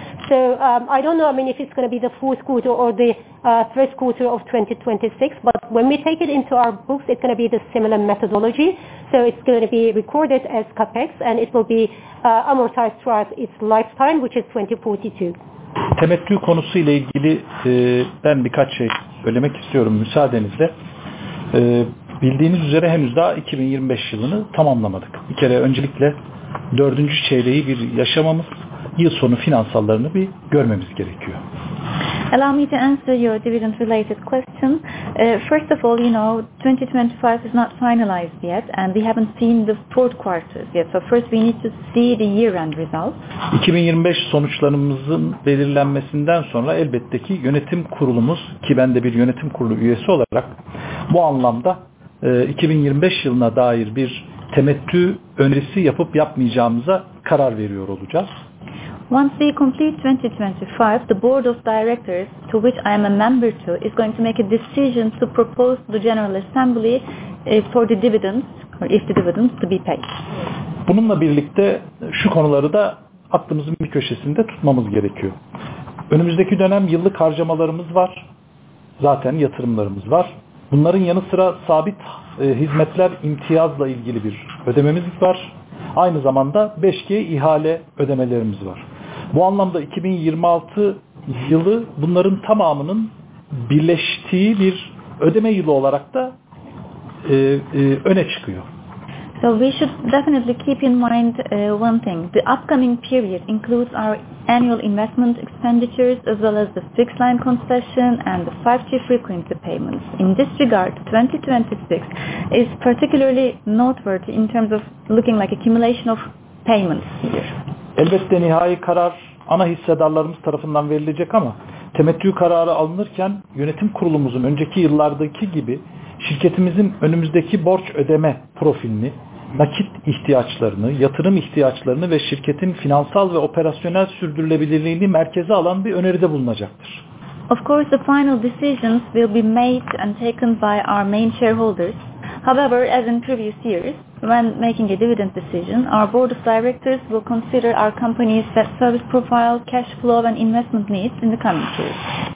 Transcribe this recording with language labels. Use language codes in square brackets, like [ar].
[en] So I don't know, if it's going to be the fourth quarter or the first quarter of 2026, but when we take it into our books, it's going to be the similar methodology. So it's going to be recorded as CAPEX, and it will be amortized throughout its lifetime, which is 2042. [tr] Temettü konusuyla ilgili ben birkaç şey söylemek istiyorum müsaadenizle. Bildiğiniz üzere henüz daha 2025 yılını tamamlamadık. Bir kere öncelikle dördüncü çeyreği bir yaşamamız. Yıl sonu finansallarını bir görmemiz gerekiyor. [en] Allow me to answer your dividend related question. First of all, 2025 is not finalized yet and we haven't seen the fourth quarters yet. So first we need to see the year end results. [tr] 2025 sonuçlarımızın belirlenmesinden sonra elbette ki yönetim kurulumuz, ki ben de bir yönetim kurulu üyesi olarak bu anlamda 2025 yılına dair bir temettü önerisi yapıp yapmayacağımıza karar veriyor olacağız. [en] Once we complete 2025, the board of directors, to which I am a member too, is going to make a decision to propose to the General Assembly for the dividends, or if the dividends to be paid. [tr] Bununla birlikte şu konuları da aklımızın bir köşesinde tutmamız gerekiyor. Önümüzdeki dönem yıllık harcamalarımız var, zaten yatırımlarımız var. Bunların yanı sıra sabit hizmetler imtiyazla ilgili bir ödememiz var. Aynı zamanda 5G ihale ödemelerimiz var. Bu anlamda 2026 yılı bunların tamamının birleştiği bir ödeme yılı olarak da öne çıkıyor. [en] So we should definitely keep in mind one thing. The upcoming period includes our annual investment expenditures as well as the fixed line concession and the 5G frequency payments. In this regard, 2026 is particularly noteworthy in terms of looking like accumulation of payments here. [tr] Elbette nihai karar ana hissedarlarımız tarafından verilecek ama temettü kararı alınırken yönetim kurulumuzun önceki yıllardaki gibi şirketimizin önümüzdeki borç ödeme profilini, nakit ihtiyaçlarını, yatırım ihtiyaçlarını ve şirketin finansal ve operasyonel sürdürülebilirliğini merkeze alan bir öneride bulunacaktır. [en] Of course, the final decisions will be made and taken by our main shareholders. However, as in previous years, when making a dividend decision, our board of directors will consider our company's debt service profile, cash flow and investment needs in the coming years.